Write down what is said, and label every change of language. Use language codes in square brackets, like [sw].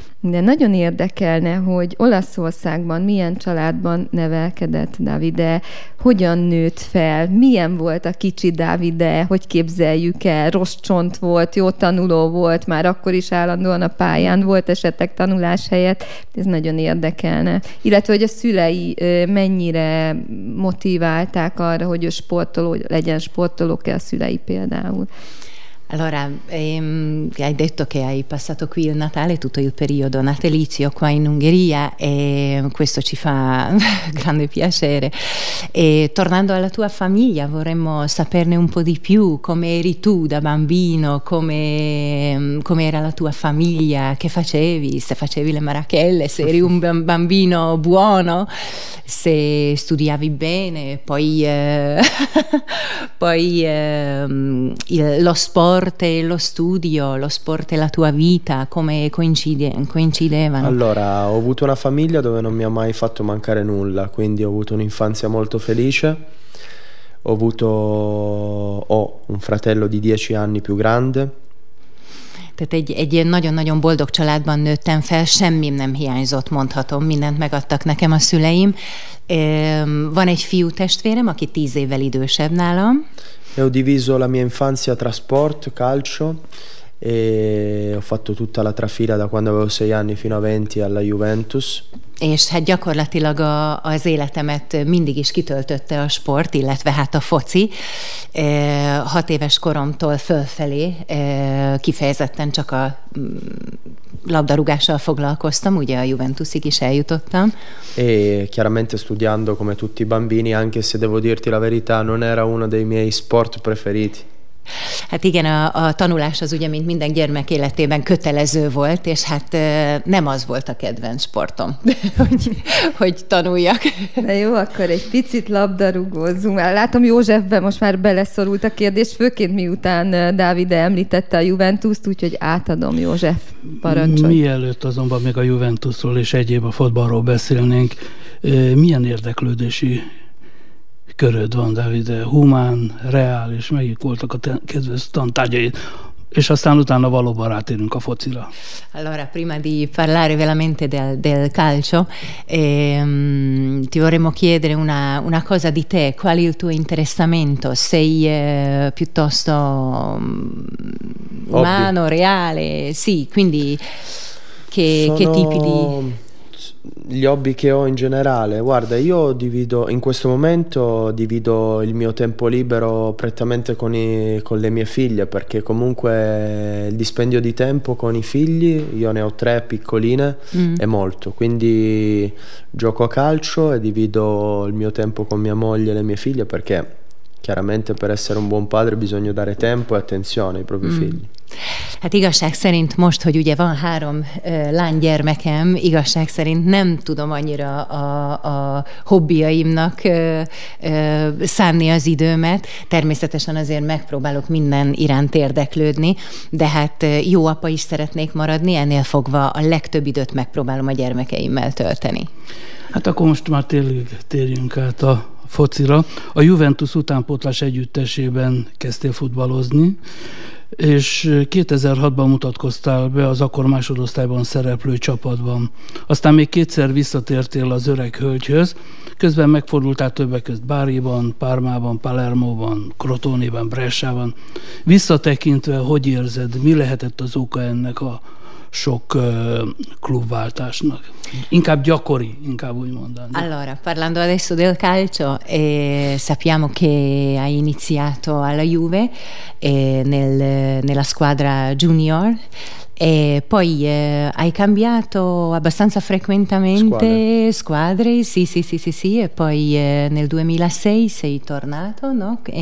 [hu] De nagyon érdekelne, hogy Olaszországban milyen családban nevelkedett Davide, hogyan nőtt fel, milyen volt a kicsi Davide, hogy képzeljük el, rossz csont volt, jó tanuló volt, már akkor is állandóan a pályán volt esetek tanulás helyett, ez nagyon érdekelne. Illetve, hogy a szülei mennyire motiválták arra, hogy ő sportoló, legyen sportoló-e a szülei például. [it] Allora, hai detto che hai passato qui il Natale, tutto il periodo natalizio qua in Ungheria, e questo ci fa grande piacere. E, tornando alla tua famiglia, vorremmo saperne un po' di più, come eri tu da bambino, come era la tua famiglia, che facevi, se facevi le marachelle, se eri un bambino buono, se studiavi bene, poi lo sport. E lo studio, lo sport e la tua vita, come coincidevano? Allora, ho avuto una famiglia dove non mi ha mai fatto mancare nulla, quindi ho avuto un'infanzia molto felice. Ho un fratello di 10 anni più grande. [hu] Tehát egy nagyon-nagyon boldog családban nőttem fel, semmim nem hiányzott, mondhatom, mindent megadtak nekem a szüleim. Van egy fiú testvérem, aki 10 évvel idősebb nálam. [it] E ho diviso la mia infanzia tra sport, calcio e ho fatto tutta la trafila da quando avevo 6 anni fino a 20 alla Juventus. [hu] És hát gyakorlatilag az életemet mindig is kitöltötte a sport, illetve hát a foci. 6 éves koromtól fölfelé kifejezetten csak a labdarúgással foglalkoztam, ugye a Juventusig is eljutottam. [it] E chiaramente studiando come tutti i bambini, anche se devo dirti la verità, non era uno dei miei sport preferiti. [hu] Hát igen, a tanulás az ugye, mint minden gyermek életében kötelező volt, és hát nem az volt a kedvenc sportom, hogy tanuljak. Na jó, akkor egy picit labdarúgózzunk. Látom, Józsefbe most már beleszorult a kérdés, főként miután Dávide említette a Juventust, úgyhogy átadom, József, parancsolj. Mielőtt azonban még a Juventusról és egyéb a futballról beszélnénk, milyen érdeklődési köröd van, Dávide, humán, reál, és melyik voltak a kedves tantárgyai, és aztán utána valóban rátérünk a focira. [it] Allora, prima di parlare veramente del calcio, ti vorremmo chiedere una cosa di te, qual è il tuo interessamento, sei piuttosto umano, hobby. Reale, sì, quindi che tipi di... Gli hobby che ho in generale, guarda, io divido in questo momento divido il mio tempo libero prettamente con le mie figlie, perché comunque il dispendio di tempo con i figli, io ne ho tre piccoline, è molto, quindi gioco a calcio e divido il mio tempo con mia moglie e le mie figlie, perché chiaramente per essere un buon padre bisogna dare tempo e attenzione ai propri figli. [hu] Hát igazság szerint most, hogy ugye van három lánygyermekem, igazság szerint nem tudom annyira a hobbiaimnak szánni az időmet. Természetesen azért megpróbálok minden iránt érdeklődni, de hát jó apa is szeretnék maradni, ennél fogva a legtöbb időt megpróbálom a gyermekeimmel tölteni. Hát akkor most már térjünk át a focira. A Juventus utánpótlás együttesében kezdtél futballozni, és 2006-ban mutatkoztál be az akkor másodosztályban szereplő csapatban. Aztán még kétszer visszatértél az öreg hölgyhöz, közben megfordultál többek között Báriban, Parmában, Palermóban, Crotonében, Bressában. Visszatekintve, hogy érzed, mi lehetett az oka ennek a sok clubváltásnak? Inkább gyakori, inkább úgy mondani. [it] Allora, parlando adesso del calcio, sappiamo che hai iniziato alla Juve nella squadra junior, e poi hai cambiato abbastanza frequentemente squadre, sì, e poi nel 2006 sei tornato, no?